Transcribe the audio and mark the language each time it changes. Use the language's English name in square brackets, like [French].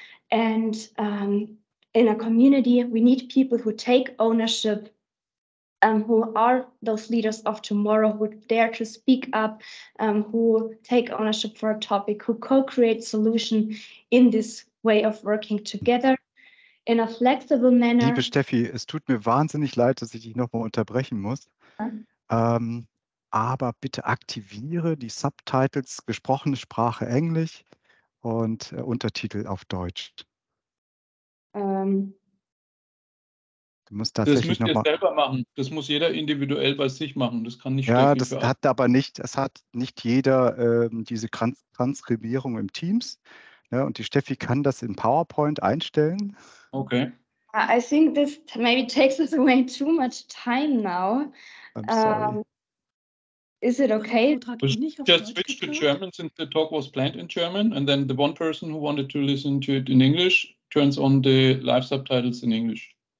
[English] And in a community, we need people who take ownership, who are those leaders of tomorrow, who dare to speak up, who take ownership for a topic, who co-create solution in this way of working together in a flexible manner. [German] Liebe Steffi, es tut mir wahnsinnig leid, dass ich dich nochmal unterbrechen muss. Aber bitte aktiviere die Subtitles, gesprochene Sprache Englisch und Untertitel auf Deutsch. Du musst tatsächlich das müsst ihr selber machen. Das muss jeder individuell bei sich machen. Das kann nicht. Ja, das hat aber nicht. Es hat nicht jeder diese Transkribierung im Teams. Ja, und die Steffi kann das in PowerPoint einstellen. Okay. [English] I think this maybe takes us away too much time now. I'm sorry. Is it okay? Just switch to German since the talk was planned in German, and then the one person who wanted to listen to it in English turns on the live subtitles in English.